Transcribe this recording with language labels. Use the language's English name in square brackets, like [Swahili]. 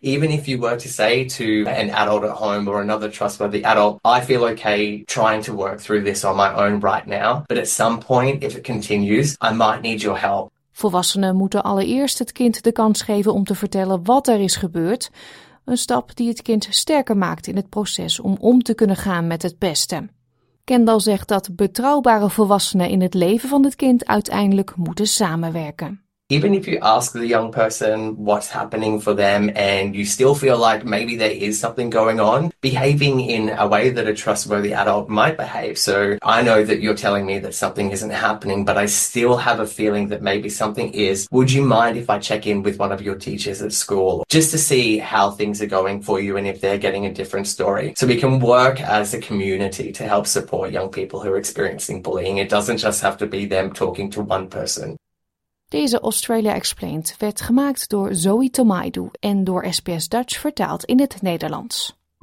[English] Even if you were to say to an adult at home or another trustworthy adult, I feel okay trying to work through this on my own right now. But at some point, if it continues, I might need your help. [Dutch] Volwassenen moeten allereerst het kind de kans geven om te vertellen wat er is gebeurd. Een stap die het kind sterker maakt in het proces om te kunnen gaan met het pesten. Kendall zegt dat betrouwbare volwassenen in het leven van het kind uiteindelijk moeten samenwerken. [English] Even if you ask the young person what's happening for them and you still feel like maybe there is something going on, behaving in a way that a trustworthy adult might behave. So I know that you're telling me that something isn't happening, but I still have a feeling that maybe something is. Would you mind if I check in with one of your teachers at school just to see how things are going for you and if they're getting a different story? So we can work as a community to help support young people who are experiencing bullying. It doesn't just have to be them talking to one person. [Dutch] Deze Australia Explained werd gemaakt door Zoe Tomaidu en door SBS Dutch vertaald in het Nederlands.